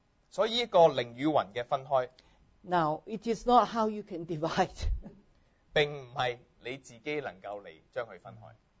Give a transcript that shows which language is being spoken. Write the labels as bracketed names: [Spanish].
[Cantonese] 所以一個靈與魂嘅分開。 [English] Now it is not how you can divide. [Cantonese] 並唔係你自己能夠嚟將佢分開。